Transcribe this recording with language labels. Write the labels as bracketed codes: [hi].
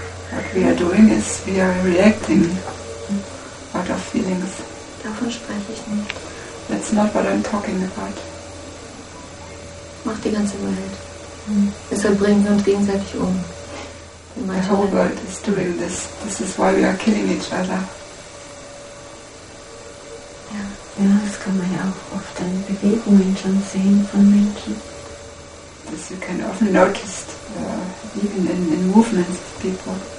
[en] What we are doing is we are reacting out of feelings. [de] Davon spreche ich nicht. [en] That's not what I'm talking about. [de] Mach die ganze Welt. Mm. Deshalb bringen wir uns gegenseitig um. [en] The whole world is doing this. This is why we are killing each other. Ja, yeah. [de] Yeah, das kann man ja auch oft in Bewegungen schon sehen von Menschen. [en] This you can often notice even in movements of people.